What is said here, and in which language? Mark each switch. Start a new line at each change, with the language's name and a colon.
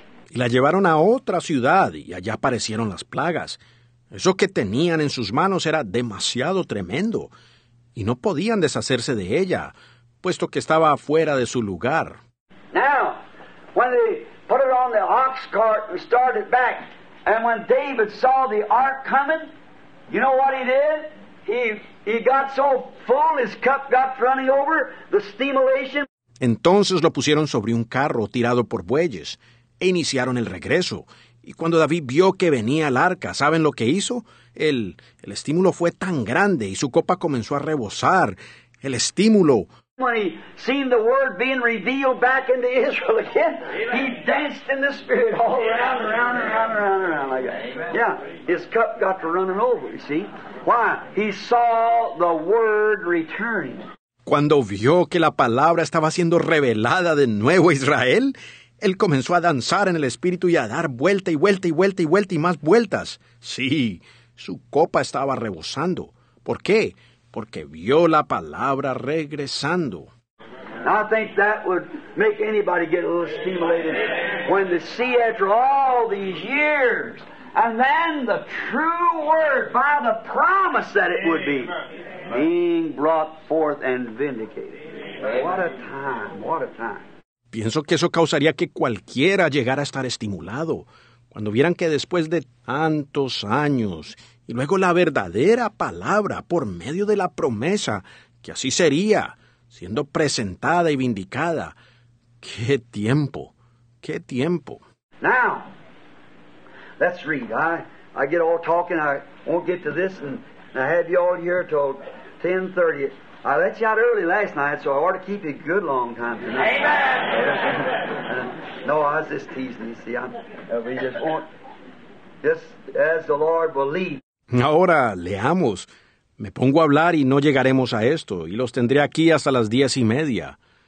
Spanish: Y la llevaron a otra ciudad y allá aparecieron las plagas. Eso que tenían en sus manos era demasiado tremendo. Y no podían deshacerse de ella, puesto que estaba fuera de su lugar.
English: Now, when they put it on the ox cart and started back, and when David saw the ark coming, you know what he did? He got so full, his cup got running over, the stimulation.
Spanish: Entonces lo pusieron sobre un carro tirado por bueyes, e iniciaron el regreso. Y cuando David vio que venía el arca, ¿saben lo que hizo? El estímulo fue tan grande, y su copa comenzó a rebosar. El estímulo.
English: When he seen the word being revealed back into Israel again, he danced in the Spirit all around, around, around, around, around like that. Yeah, his cup got to running over, you see. Why? He saw the word returning.
Spanish: Cuando vio que la palabra estaba siendo revelada de nuevo a Israel, Él comenzó a danzar en el espíritu y a dar vuelta y vuelta y vuelta y vuelta y más vueltas. Sí, su copa estaba rebosando. ¿Por qué? Porque vio la palabra regresando.
English: I think that would make anybody get a little stimulated when they see after all these years and then the true word by the promise that it would be being brought forth and vindicated. What a time, what a time.
Spanish: Pienso que eso causaría que cualquiera llegara a estar estimulado cuando vieran que después de tantos años y luego la verdadera palabra por medio de la promesa que así sería, siendo presentada y vindicada. ¡Qué tiempo! ¡Qué tiempo!
English: Now, let's read. I get all talking. I won't get to this. And I have you all here till 10:30. I let you out early last night, so I ought to keep you a good long time tonight. Amen! No, I was just teasing you. See, we just want, just as the Lord will lead.
Spanish: Ahora, leamos. Me pongo a hablar y no llegaremos a esto, y los tendré aquí hasta las 10:30.